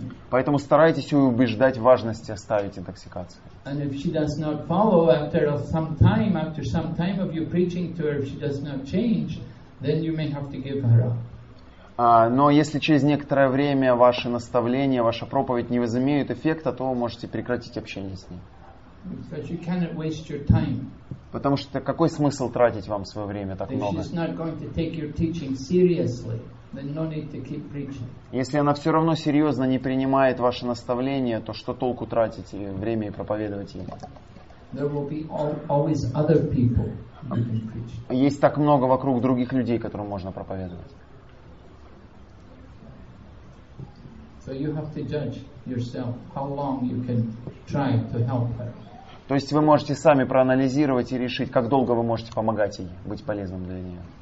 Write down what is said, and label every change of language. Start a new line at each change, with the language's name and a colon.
Russian: Поэтому старайтесь убеждать в важности оставить интоксикацию.
English: And if she does not follow after some time of you preaching to her, if she does not change, then you may have to give her up.
Russian: Но если через некоторое время ваши наставления, ваша проповедь не возымеют эффекта, то вы можете прекратить общение с ней.
English: Because you cannot waste your time.
Russian: Потому что какой смысл тратить вам свое время так много?
English: She's not going to take your teaching seriously. Then no need to keep preaching.
Russian: Если она все равно серьезно не принимает ваше наставление, то что толку тратить время и проповедовать ей?
English: There will be always other people you can preach.
Russian: Есть так много вокруг других людей, которым можно проповедовать.
English: So you have to judge yourself how long you can try to help her.
Russian: То есть вы можете сами проанализировать и решить, как долго вы можете помогать ей, быть полезным для нее.